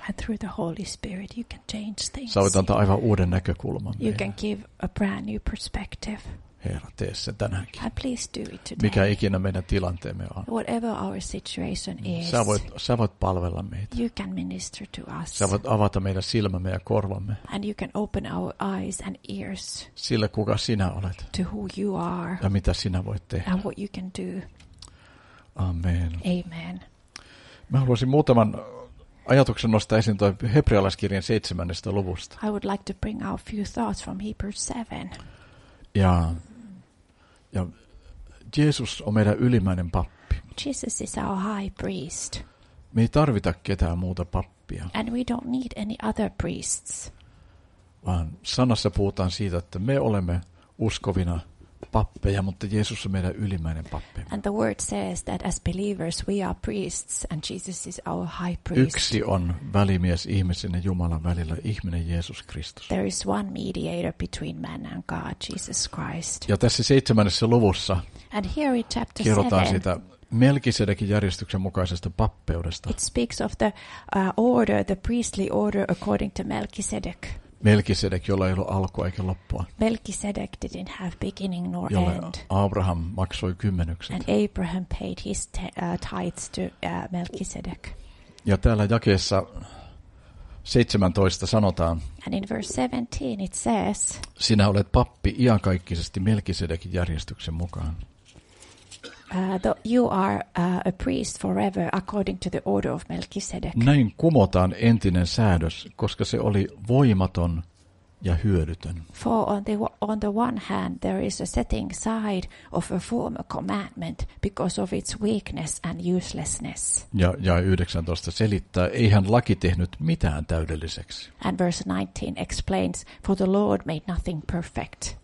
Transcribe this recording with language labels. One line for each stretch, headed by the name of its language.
English: And through the Holy Spirit you can change things.
Finnish: Sä voit antaa aivan uuden näkökulman.
English: You can give a brand new perspective.
Finnish: Herra, tee se tänäänkin.
English: And please do it today.
Finnish: Mikä ikinä meidän tilanteemme on.
English: Whatever our situation is.
Finnish: Sä voit palvella meitä.
English: You can minister to us.
Finnish: Sä voit avata meidän silmämme ja korvamme.
English: And you can open our eyes and ears.
Finnish: Sille, kuka sinä olet.
English: To who you are.
Finnish: Ja mitä sinä voit tehdä.
English: And what you can do.
Finnish: Amen.
English: Amen.
Finnish: Mä haluaisin muutaman ajatuksen nostaa esiin tuon hebrealaiskirjan 7. luvusta.
English: I would like to bring out a few thoughts from Hebrews 7.
Finnish: Ja Jeesus on meidän ylimmäinen pappi.
English: Jesus is our high priest.
Finnish: Me ei tarvita ketään muuta pappia.
English: And we don't need any other priests.
Finnish: Vaan sanassa puhutaan siitä, että me olemme uskovina pappeja, mutta Jeesus on meidän ylimmäinen pappi.
English: And the word says that as believers we are priests and Jesus is our high priest.
Finnish: Yksi on välimies ihmisen ja Jumalan välillä, ihminen Jeesus Kristus.
English: There is one mediator between man and God, Jesus Christ.
Finnish: Ja tässä 7. luvussa.
English: And here in chapter
Finnish: Kerrotaan siitä Melkisedekin järjestyksen mukaisesta pappeudesta.
English: It speaks of the order, the priestly order according to Melkisedek.
Finnish: Melkisedek, jolla ei ollut alkua eikä loppua.
English: Melkisedek didn't have beginning nor
Finnish: jolle
English: end.
Finnish: Abraham maksoi kymmenykset.
English: And Abraham paid his tithes to Melkisedek.
Finnish: Ja täällä jakeessa 17 sanotaan.
English: And in verse 17 it says.
Finnish: Sinä olet pappi iankaikkisesti Melkisedekin järjestyksen mukaan.
English: You are a priest forever according to the order of Melchizedek.
Finnish: Näin kumotaan entinen säädös, koska se oli voimaton ja hyödytön.
English: For on the one hand there is a setting aside of a former commandment because of its weakness and uselessness.
Finnish: Ja 19 selittää, eihän laki tehnyt mitään täydelliseksi.
English: And verse 19 explains, for the Lord made nothing perfect.